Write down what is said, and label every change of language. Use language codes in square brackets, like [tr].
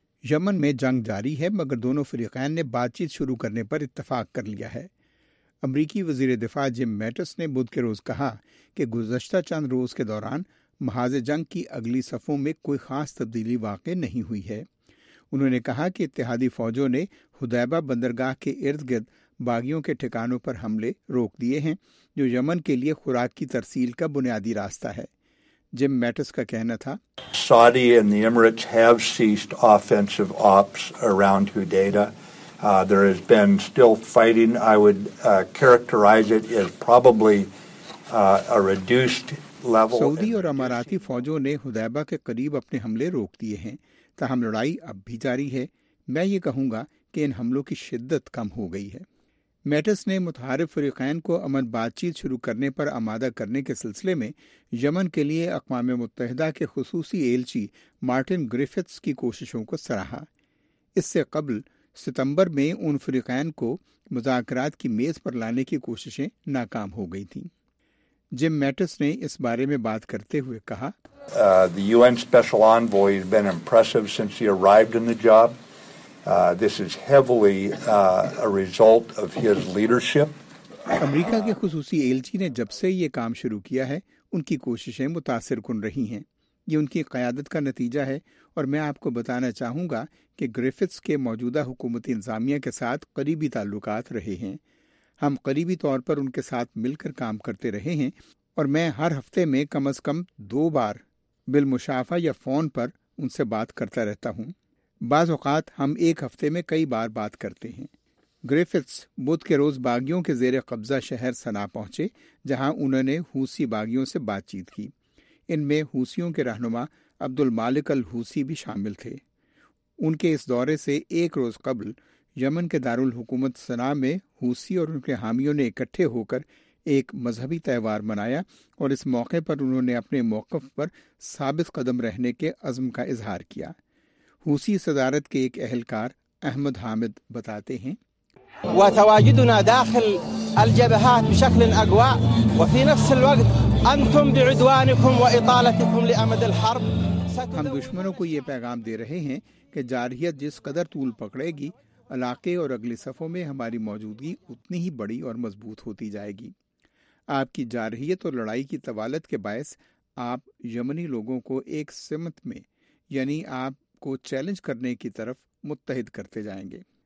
[ur] یمن میں جنگ جاری ہے مگر دونوں فریقین نے بات چیت شروع کرنے پر اتفاق کر لیا ہے۔ امریکی وزیر دفاع جم میٹس نے بدھ کے روز کہا کہ گزشتہ چند روز کے دوران محاذ جنگ کی اگلی صفوں میں کوئی خاص تبدیلی واقع نہیں ہوئی ہے۔ انہوں نے کہا کہ اتحادی فوجوں نے حدیبہ بندرگاہ کے ارد گرد باغیوں کے ٹھکانوں پر حملے روک دیے ہیں جو یمن کے لیے خوراک کی ترسیل کا بنیادی راستہ ہے۔ جم میٹس کا کہنا تھا [en] Saudi and the Emirates have ceased offensive ops around Hudaydah. There has been still fighting. I would characterize it as probably a reduced level. [ur] سعودی اور اماراتی فوجوں نے حدیبہ کے قریب اپنے حملے روک دیے ہیں، تاہم لڑائی اب بھی جاری ہے۔ میں یہ کہوں گا کہ ان حملوں کی شدت کم ہو گئی ہے۔ میٹس نے متحارف فریقین کو امن بات چیت شروع کرنے پر آمادہ کرنے کے سلسلے میں یمن کے لیے اقوام متحدہ کے خصوصی ایلچی مارٹن گریفتھس کی کوششوں کو سراہا۔ اس سے قبل ستمبر میں ان فریقین کو مذاکرات کی میز پر لانے کی کوششیں ناکام ہو گئی تھیں۔ جم میٹس نے اس بارے میں بات کرتے ہوئے کہا [en] The UN Special Envoy has been impressive since he arrived in the job. This is heavily a result of his leadership. [ur] امریکہ کے خصوصی ایلچی نے جب سے یہ کام شروع کیا ہے ان کی کوششیں متاثر کن رہی ہیں. یہ ان کی قیادت کا نتیجہ ہے اور میں آپ کو بتانا چاہوں گا کہ گریفتس کے موجودہ حکومتی انتظامیہ کے ساتھ قریبی تعلقات رہے ہیں. ہم قریبی طور پر ان کے ساتھ مل کر کام کرتے رہے ہیں اور میں ہر ہفتے میں کم از کم دو بار بالمشافہ یا فون پر ان سے بات کرتا رہتا ہوں. بعض اوقات ہم ایک ہفتے میں کئی بار بات کرتے ہیں. گریفتس بدھ کے روز باغیوں کے زیر قبضہ شہر سنا پہنچے جہاں انہوں نے حوثی باغیوں سے بات چیت کی. ان میں حوثیوں کے رہنما عبد المالک الحوثی بھی شامل تھے. ان کے اس دورے سے ایک روز قبل یمن کے دارالحکومت سنا میں حوثی اور ان کے حامیوں نے اکٹھے ہو کر ایک مذہبی تہوار منایا اور اس موقع پر انہوں نے اپنے موقف پر ثابت قدم رہنے کے عزم کا اظہار کیا. حوثی صدارت کے ایک اہلکار احمد حامد بتاتے ہیں: [ar] وتواجدنا داخل الجبهات بشكل اقوى وفي نفس الوقت انتم بعدوانكم واطالتكم لامد الحرب [ur] ہم دشمنوں کو یہ پیغام دے رہے ہیں کہ جارحیت جس قدر طول پکڑے گی علاقے اور اگلی صفوں میں ہماری موجودگی اتنی ہی بڑی اور مضبوط ہوتی جائے گی. آپ کی جارحیت اور لڑائی کی طوالت کے باعث آپ یمنی لوگوں کو ایک سمت میں یعنی آپ کو چیلنج کرنے کی طرف متحد کرتے جائیں گے.